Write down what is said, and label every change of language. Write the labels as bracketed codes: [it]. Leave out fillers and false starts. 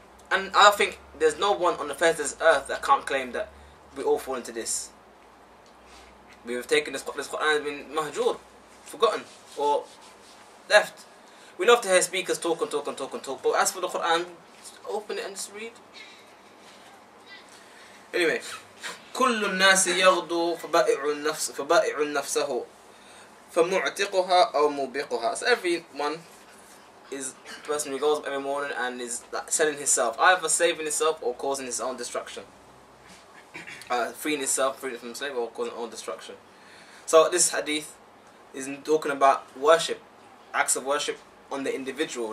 [en] And I think there's no one on the face of this earth that can't claim that we all fall into this. We've taken this Quran, has been mahjur, forgotten, or left. We love to hear speakers talk and talk and talk and talk, but as for the Quran, just open it and just read. Anyway, [ar] كل الناس يغدو فبائع نفسه فمعتقها أو مبيقها. [en] So everyone is the person who goes up every morning and is selling himself, either saving himself or causing his own destruction. Freeing himself, freeing from slavery, or causing his own destruction. So this hadith is talking about worship, acts of worship on the individual.